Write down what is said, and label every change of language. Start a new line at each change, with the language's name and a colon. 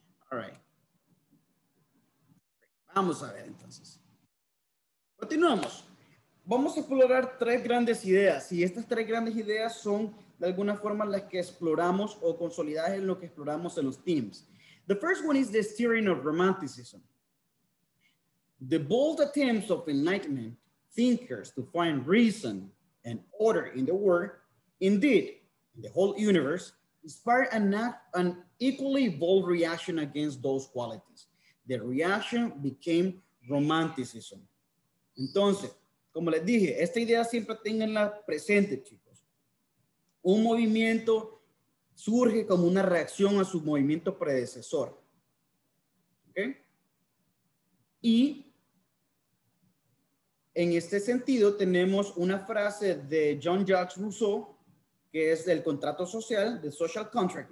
English: All right.
Spanish: Vamos a ver entonces. Continuamos. Vamos a explorar tres grandes ideas y estas tres grandes ideas son de alguna forma las que exploramos o consolidadas en lo que exploramos en los themes.
English: The first one is the steering of romanticism. The bold attempts of Enlightenment thinkers to find reason and order in the world, indeed, in the whole universe, inspired an equally bold reaction against those qualities. The reaction became romanticism.
Spanish: Entonces, como les dije, esta idea siempre tenganla presente, chicos. Un movimiento surge como una reacción a su movimiento predecesor. ¿Ok? Y en este sentido tenemos una frase de Jean-Jacques Rousseau, que es el contrato social,
English: the social contract.